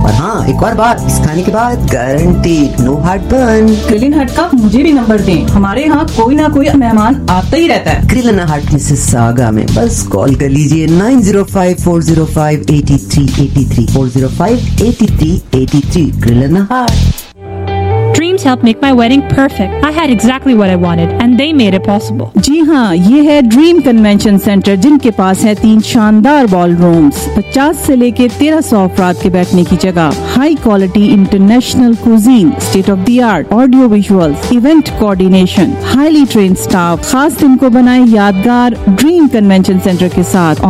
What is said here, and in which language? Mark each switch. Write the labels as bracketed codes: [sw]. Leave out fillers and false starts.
[hi] और हाँ, एक और बात, इस खाने के बाद गारंटीड नो हार्ट बर्न। किराना हट का मुझे भी नंबर दें, हमारे यहाँ कोई ना कोई मेहमान आता ही रहता है। किराना हट मिसेस सागा में, बस कॉल कर लीजिए 9054058383 4058383 [en] Dreams helped make my wedding perfect. I had exactly what I wanted and they made it possible. [hi] जी हाँ, ये है ड्रीम कन्वेंशन सेंटर जिनके पास है 3 शानदार बॉल रूम्स, 50 से लेके 1300 अफराद के बैठने की जगह, high quality international cuisine, state of the art audio visuals, event coordination, highly train staff, खास दिन को बनाए यादगार ड्रीम कन्वेंशन सेंटर के साथ।